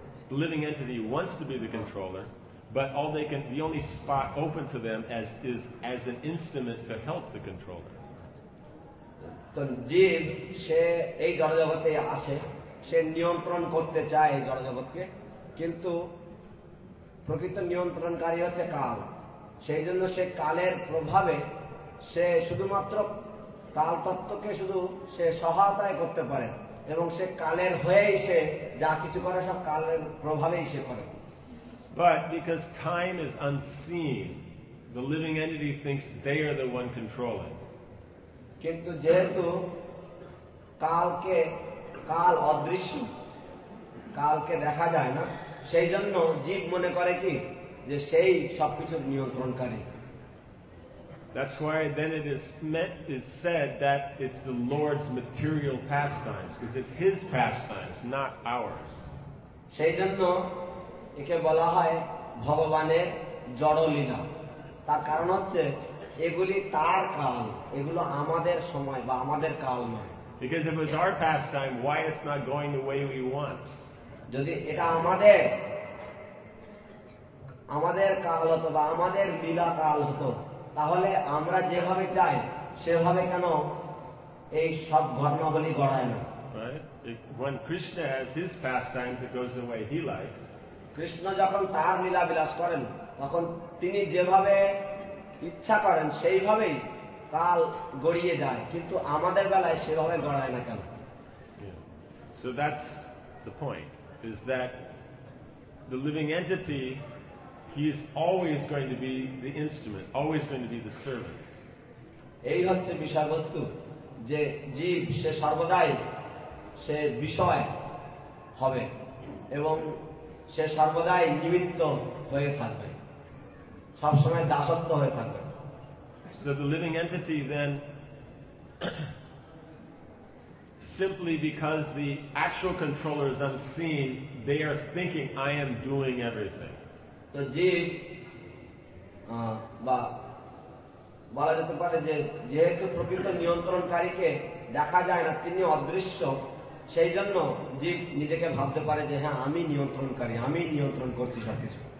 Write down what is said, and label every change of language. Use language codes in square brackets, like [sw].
[en] The living entity wants to be the controller, but all they can, the only spot open to them as is as an instrument to help the controller. [bn] তো জীব সে এই জড়জগতে আসে, সে নিয়ন্ত্রণ করতে চায় এই জড়জগৎকে, কিন্তু প্রকৃত নিয়ন্ত্রণকারী হচ্ছে কাল। সেই জন্য সে কালের প্রভাবে সে শুধুমাত্র কাল তত্ত্বকে শুধু সে সহায়তায় করতে পারে এবং সে কালের হয়েই সে যা কিছু করে সব কালের প্রভাবেই সে করে। [en] But because time is unseen, the living entity thinks they are the one controlling. [bn] কিন্তু যেহেতু কালকে কাল অদৃশ্য, কালকে দেখা যায় না, সেই জন্য জীব মনে করে কি যে সেই সবকিছুর নিয়ন্ত্রণকারী। [en] That's why then it is said that it's the Lord's material pastimes, because it's his pastimes, not ours. [bn] সেই জন্য একে বলা হয় ভগবানের জড়লীলা। তার কারণ হচ্ছে এগুলি তার কাল, এগুলো আমাদের সময় বা আমাদের কাল নয়। [en] Because if it's our pastime, why it's not going the way we want? [bn] যদি এটা আমাদের আমাদের কাল হতো বা আমাদের লীলা কাল হতো, তাহলে আমরা যেভাবে চাই সেভাবে কেন এই সব ঘটনাগুলি গড়ায় না? [en] When Krishna has his pastimes, it goes the way he likes. [bn] Krishna যখন তার লীলা বিলাস করেন, তখন তিনি যেভাবে ইচ্ছা করেন সেইভাবেই কাল গড়িয়ে যায়, কিন্তু আমাদের বেলায় সেভাবে গড়ায় না কেন? [en] So that's the point, is that the living entity He is always going to be the instrument, always going to be the servant. [bn] এই হচ্ছে বিষয়বস্তু যে জীব সে সর্বদাই সে বিষয় হবে এবং সে সর্বদাই নিমিত্ত হয়ে থাকবে সব সময় দাসত্ব হয়ে থাকবে. [en] So the living entity then simply because the actual controller is unseen, they are thinking I am doing everything. [bn] তো জীব বা বলা যেতে পারে যে যেহেতু প্রকৃত নিয়ন্ত্রণকারীকে দেখা যায় না, তিনি অদৃশ্য, সেই জন্য জীব নিজেকে ভাবতে পারে যে হ্যাঁ আমি নিয়ন্ত্রণকারী, আমি নিয়ন্ত্রণ করছি সবকিছু.